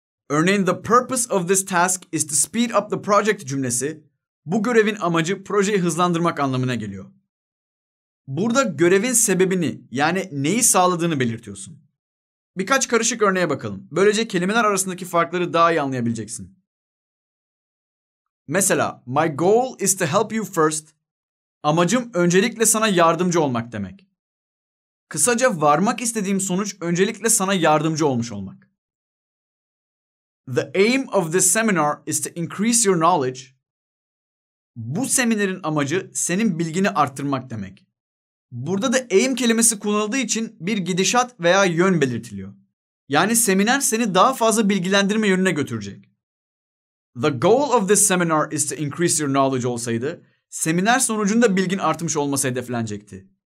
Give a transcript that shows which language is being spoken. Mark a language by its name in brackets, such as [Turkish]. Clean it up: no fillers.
[English] Örneğin the purpose of this task is to speed up the project [Turkish] cümlesi bu görevin amacı projeyi hızlandırmak anlamına geliyor. Burada görevin sebebini yani neyi sağladığını belirtiyorsun. Birkaç karışık örneğe bakalım. Böylece kelimeler arasındaki farkları daha iyi anlayabileceksin. [English] Mesela my goal is to help you first. [Turkish] Amacım öncelikle sana yardımcı olmak demek. Kısaca varmak istediğim sonuç öncelikle sana yardımcı olmuş olmak. [English] The aim of this seminar is to increase your knowledge. [Turkish] Bu seminerin amacı senin bilgini arttırmak demek. Burada da aim kelimesi kullanıldığı için bir gidişat veya yön belirtiliyor. Yani seminer seni daha fazla bilgilendirme yönüne götürecek. [English] The goal of this seminar is to increase your knowledge [Turkish] olsaydı, seminer sonucunda bilgin artmış olması hedeflenecekti.